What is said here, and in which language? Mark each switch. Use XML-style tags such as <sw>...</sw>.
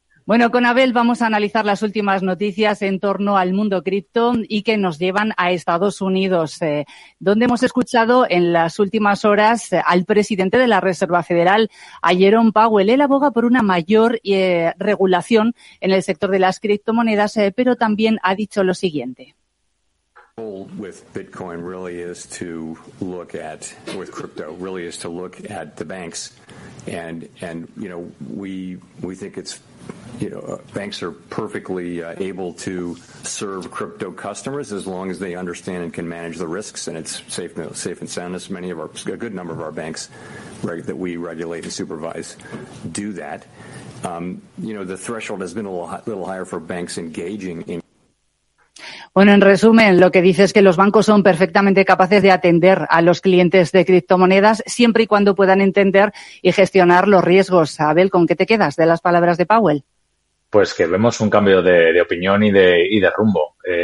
<es>Bueno, con Abel vamos a analizar las últimas noticias en torno al mundo cripto y que nos llevan a Estados Unidos, donde hemos escuchado en las últimas horas al presidente de la Reserva Federal, a Jerome Powell. Él aboga por una mayor regulación en el sector de las criptomonedas, pero también ha dicho lo siguiente.</es> <en>With Bitcoin really is to look at, with crypto really is to look at the banks and you know, we think it's, you know, banks are perfectly able to serve crypto customers as long as they understand and can manage the risks and it's safe, you know, safe and soundness. Many of our, a good number of our banks, right, that we regulate and supervise do that. You know, the threshold has been a little higher for banks engaging in.</en> <es>Bueno, en resumen, lo que dice es que los bancos son perfectamente capaces de atender a los clientes de criptomonedas siempre y cuando puedan entender y gestionar los riesgos. Abel, ¿con qué te quedas de las palabras de Powell? Pues que vemos un cambio de opinión y de rumbo.</es>